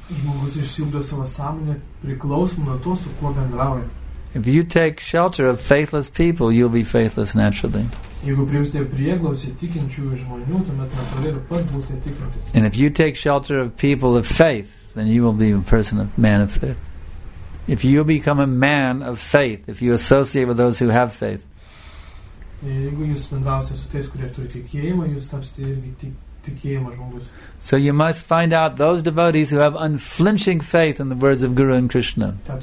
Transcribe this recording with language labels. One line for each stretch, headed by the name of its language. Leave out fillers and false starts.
Lithuanian: Žmogus išsiugdo savo sąmonę priklausomą nuo to, su kuo bendrauja.
English: If you take shelter of faithless people, you'll be faithless naturally.
Lithuanian: Jeigu priimsite prieglausį tikinčiųjų žmonių, tuomet natūraliai ir pats būsite tikintis.
English: And if you take shelter of people of faith, then you will be a person of man of faith. If you become a man of faith, if you associate with those who have faith.
Lithuanian: Jeigu jūs bendrausite su tais, kurie turi tikėjimą, jūs tapsite irgi tikėjimo žmogus.
English: So you must find out those devotees who have unflinching faith in the words of Guru and Krishna.